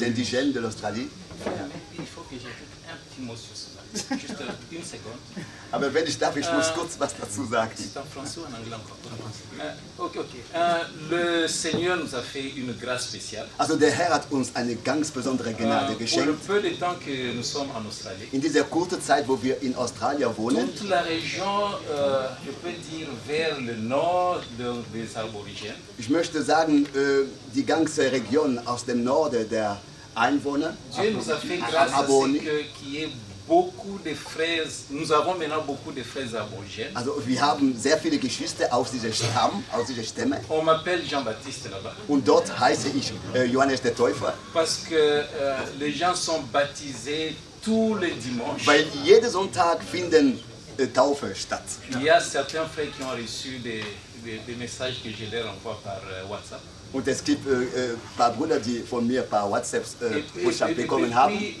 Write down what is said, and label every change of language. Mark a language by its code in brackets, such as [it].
[fr] Les indigènes de l'Australie. Il faut que j'ajoute un petit mot sur cela. Juste une seconde. [de] Ah, mais wenn ich darf, ich muss kurz was dazu sagen. [fr] C'est en français ou en anglais encore? Ok, ok. Le Seigneur nous a fait une grâce spéciale. [de] Also, der Herr hat uns eine ganz besondere Gnade geschenkt. [fr] Pour le peu de temps que nous sommes en Australie. [de] In dieser kurzen Zeit, wo wir in Australien wohnen. [fr] Toute la région, je peux dire, vers le nord des Aborigènes. [de] Ich möchte sagen, die ganze Region aus dem Norden der Einwohner. [fr] Dieu nous a fait grâce à ce qui est beaucoup de frères. Nous avons maintenant beaucoup de frères aborigènes. [de] Also, wir haben sehr viele Geschwister aus dieser Stamm, aus dieser Stämme. [fr] On m'appelle Jean-Baptiste là-bas. [de] Und dort heiße ich Johannes der Täufer. [fr] Parce que les gens sont baptisés tous les dimanches. [de] Weil jeden Sonntag finden Taufe statt. [fr] Il y a certains frères qui ont reçu des messages que je leur envoie par WhatsApp. [de] Und es gibt ein paar Brüder, die von mir ein paar WhatsApps bekommen haben.